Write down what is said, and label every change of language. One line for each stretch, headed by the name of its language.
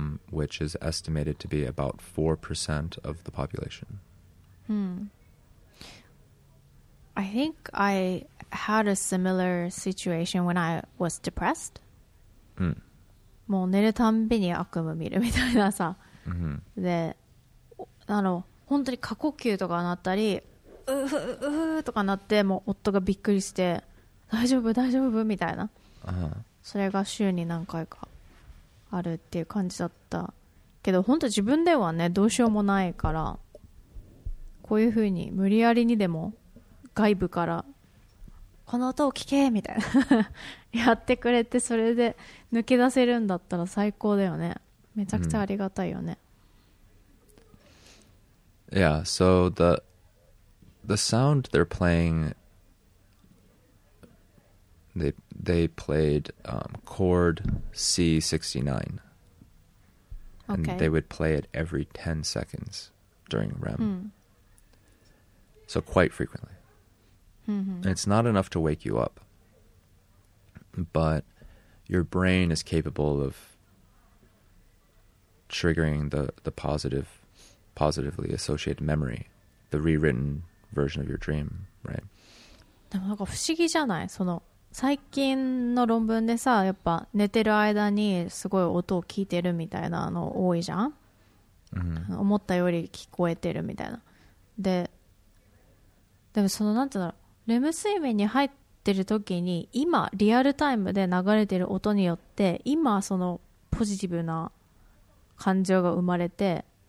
English: Which is estimated to be about 4% of the population.、 Mm. I think I had a similar situation when I was depressed.、 Mm.
Japanese: もう寝るたんびに悪夢見るみたいなさ、 mm-hmm. で本当に過呼吸とかなったり、ううとかなって、もう夫がびっくりして、大丈夫大丈夫みたいな、 uh-huh. それが週に何回かあるっていう感じだったけど、本当自分ではねどうしようもないから、こういうふうに無理やりにでも外部からこの音を聞けみたいなやってくれて、それで抜け出せるんだったら最高だよね。めちゃくちゃありがたいよね、うん。
English: Yeah, so the sound they're playing, they played chord C69. Okay. And they would play it every 10 seconds during REM. Hmm. So quite frequently. Mm-hmm. And it's not enough to wake you up, but your brain is capable of triggering the positively associated memory, the rewritten version of your dream, right?
Japanese: でもなんか不思議じゃない？その最近の論文でさ、やっぱ寝てる間にすごい音を聞いてるみたいなの多いじゃん。 Mm-hmm. 思ったより聞こえてるみたいな。でもそのなんていうんだろう、レム睡眠に入ってる時に今リアルタイムで流れてる音によって今そのポジティブな感情が生まれて。